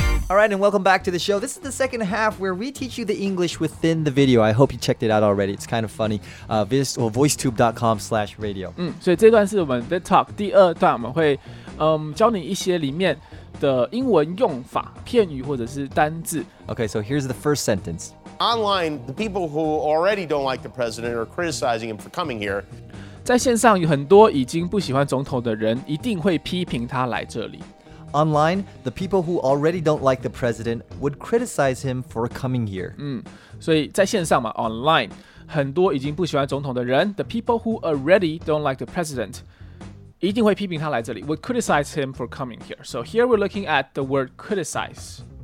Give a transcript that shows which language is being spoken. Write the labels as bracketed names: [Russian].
[English] All right, and welcome back to the show. This is the second half where we teach you the English within the video. I hope you checked it out already. It's kind of funny. VoiceTube.com/radio. [Chinese] 所以这段是我们 Vid Talk 第二段，我会教你一些里面的英文用法、片语或者是单字。 [English] Okay, so here's the first sentence. online, the people who already don't like the president are criticizing him for coming here. [Chinese] 在线上有很多已经不喜欢总统的人一定会批评他来这里。 [English] Online, the people who already don't like the president would criticize him for coming here. [Chinese] 所以在线上嘛 ,online, 很多已经不喜欢总统的人 [English] the people who already don't like the president, [Chinese] 一定会批评他来这里 [English] would criticize him for coming here. So here we're looking at the word criticize.